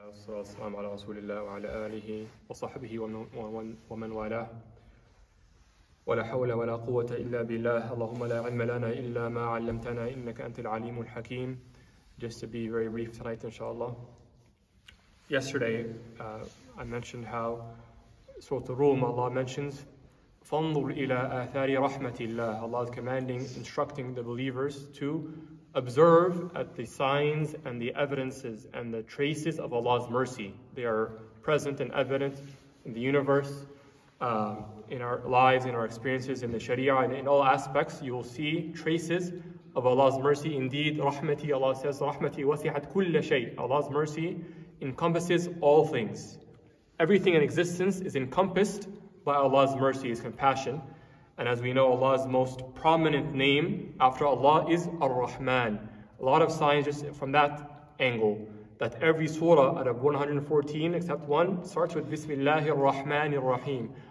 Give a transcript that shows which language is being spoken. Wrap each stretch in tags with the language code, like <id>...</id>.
<ar>والسلام على رسول الله وعلى آله وصحبه ومن والاه. ولا حول ولا قوة إلا بالله. اللهم لا علم لنا إلا ما علمتنا إنك أنت العليم الحكيم.</ar> <en>Just to be very brief tonight, inshallah. Yesterday, I mentioned how Surah Rum, Allah mentions,</en> <ar>فَانْظُرْ إِلَىٰ آثَارِ رَحْمَةِ اللَّهِ.</ar> <en>Allah is commanding, instructing the believers to observe at the signs and the evidences and the traces of Allah's mercy. They are present and evident in the universe, in our lives, in our experiences, in the Sharia, and in all aspects, you will see traces of Allah's mercy. Indeed,</en> <ar>رحمتي,</ar> <en>Allah says,</en> <ar>رحمتي وسعت كل شيء.</ar> <en>Allah's mercy encompasses all things. Everything in existence is encompassed by Allah's mercy, His compassion. And as we know, Allah's most prominent name after Allah is Ar-Rahman. A lot of signs just from that angle, that every surah out of 114, except one, starts with Bismillahir Rahmanir Rahim.</en>